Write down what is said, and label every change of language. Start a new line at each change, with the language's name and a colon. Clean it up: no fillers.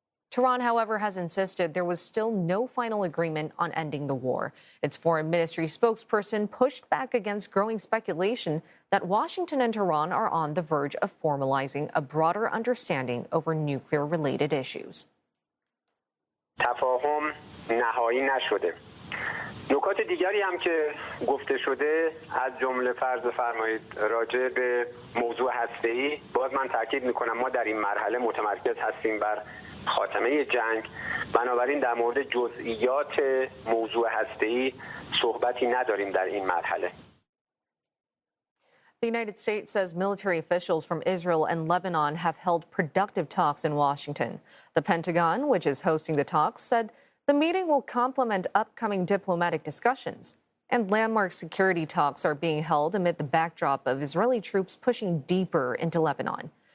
English: Tehran, however, has insisted there was still no final agreement on ending the war. Its foreign ministry spokesperson pushed back against growing speculation that Washington and Tehran are on the verge of formalizing a broader understanding over nuclear-related issues.
Persian: تفاهم نهایی نشده. نکات دیگری هم که گفته شده از جمله فرض فرمایید راجع به موضوع هسته‌ای، باز من تاکید می‌کنم ما در این مرحله متمرکز هستیم بر خاتمه جنگ، بنابراین در مورد جزئیات موضوع هسته‌ای صحبتی نداریم در این مرحله.
English: The United States says military officials from Israel and Lebanon have held productive talks in Washington. The Pentagon, which is hosting the talks, said the meeting will complement upcoming diplomatic discussions. And landmark security talks are being held amid the backdrop of Israeli troops pushing deeper into Lebanon.